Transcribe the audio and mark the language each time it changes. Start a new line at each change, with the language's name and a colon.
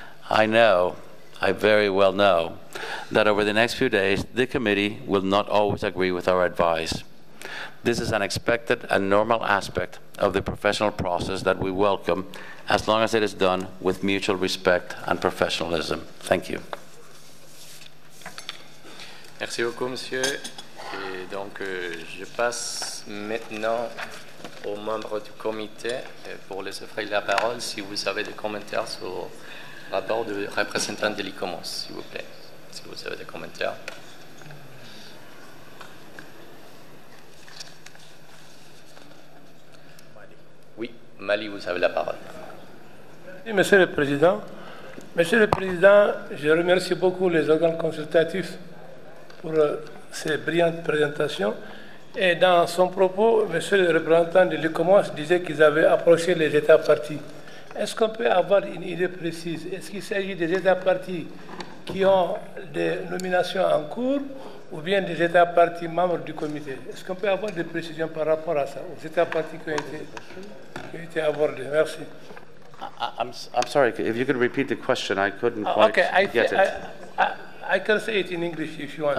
English: I very well know, that over the next few days, the committee will not always agree with our advice. This is an expected and normal aspect of the professional process that we welcome, as long as it is done with mutual respect and professionalism. Thank you.
French: Merci beaucoup, monsieur. Et donc, je passe maintenant aux membres du comité pour les offrir la parole si vous avez des commentaires sur le rapport du représentant de l'ICOMOS, s'il vous plaît. Si vous avez des commentaires. Oui, Mali, vous avez la parole. Merci, Monsieur le Président. Monsieur le Président, je remercie beaucoup les organes consultatifs pour ces brillantes présentations. Et dans son propos, Monsieur le représentant de l'ICOMOS disait qu'ils avaient approché les États parties. Est-ce qu'on peut avoir une idée précise? Est-ce qu'il s'agit des États parties qui ont des nominations en cours ou bien des États parties membres du comité? Est-ce qu'on peut avoir des précisions par rapport à ça, aux États parties qui ont été abordés? Merci.
English: I'm sorry, if you could repeat the question, I couldn't quite get it. I can say it in English if you want.